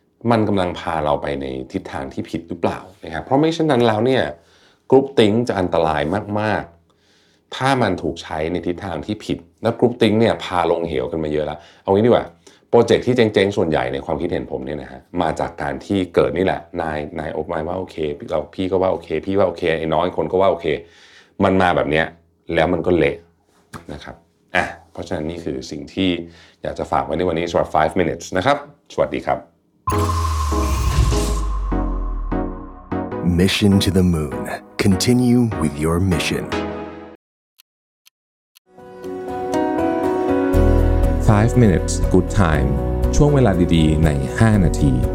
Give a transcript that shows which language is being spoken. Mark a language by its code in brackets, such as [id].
[th] มันกำลังพาเราไปในทิศทางที่ผิดหรือเปล่านะครับเพราะไม่เช่นนั้นแล้วเนี่ยกรุ๊ปติ้งจะอันตรายมากๆถ้ามันถูกใช้ในทิศทางที่ผิดแล้วกรุ๊ปติ้งเนี่ยพาลงเหวกันมาเยอะแล้วเอางี้ดีกว่าโปรเจกต์ที่เจ๊งๆส่วนใหญ่ในความคิดเห็นผมเนี่ยนะฮะมาจากการที่เกิดนี่แหละนายโอ๊คไมว่าโอเคเราพี่ก็ว่าโอเคพี่ว่าโอเคไอ้น้อยคนก็ว่าโอเคมันมาแบบเนี้ยแล้วมันก็เละนะครับอ่ะเพราะฉะนั้นนี่คือสิ่งที่อยากจะฝากไว้ในวันนี้สำหรับ5 minutes นะครับสวัสดีครับ [en] Mission to the moon. Continue with your mission. 5 minutes good time. [th] ช่วงเวลาดีๆใน5นาที